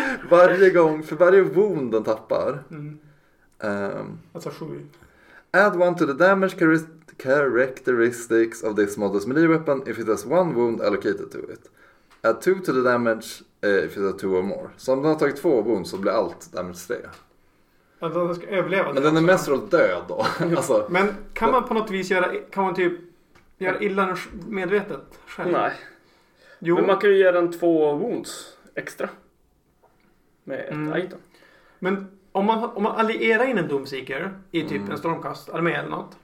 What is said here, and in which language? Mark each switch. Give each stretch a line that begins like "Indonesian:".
Swedish: Varje gång, för varje wound den tappar. Alltså 7.
English: Add one to the damage characteristics of this model's melee weapon if it has one wound allocated to it. Add 2 to the damage if it has 2 or more.
Swedish: Så om den har tagit 2 wounds så blir allt damage 3. Att den ska överleva. Men den är mest rått död då. Alltså, men kan man på något vis göra, kan man typ göra illa medvetet själv? Nej. Jo. Men man kan ju ge den 2 wounds extra. Med ett item. Men om man allierar in en Doomseeker i typ en Stormcast-armé eller något.